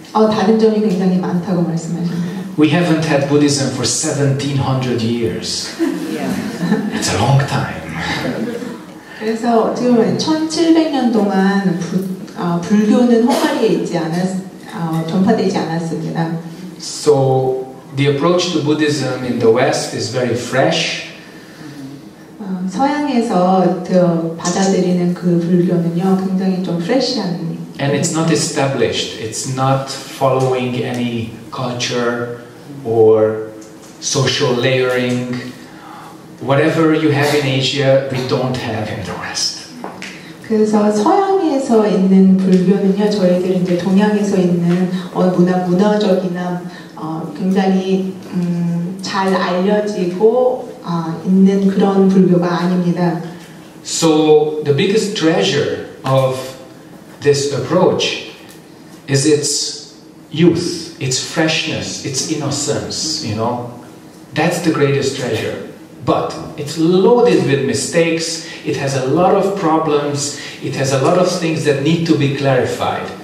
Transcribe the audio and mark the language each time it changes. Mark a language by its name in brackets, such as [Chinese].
[Korean] 다른 점이 굉장히 많다고 말씀하셨네요. [English] We haven't had Buddhism for 1700 years. Yeah. It's a long time. [Korean] 그래서 지금 1700년 동안 불교는 헝가리에 있지 않았 전파되지 않았습니다. [English] So the approach to Buddhism in the West is very fresh. [Korean] 서양에서 받아들이는 그 불교는요, 굉장히 좀 fresh한 [English] And it's not established. It's not following any culture or social layering. Whatever you have in Asia, we don't have in the West. [Korean] 그래서 서양에서 있는 불교는요, 저희들 이제 동양에서 있는 문화적이나 굉장히 잘 알려지고 있는 그런 불교가 아닙니다. [English] So the biggest treasure of this approach is its youth, its freshness, its innocence, you know. That's the greatest treasure. But it's loaded with mistakes, it has a lot of problems, it has a lot of things that need to be clarified.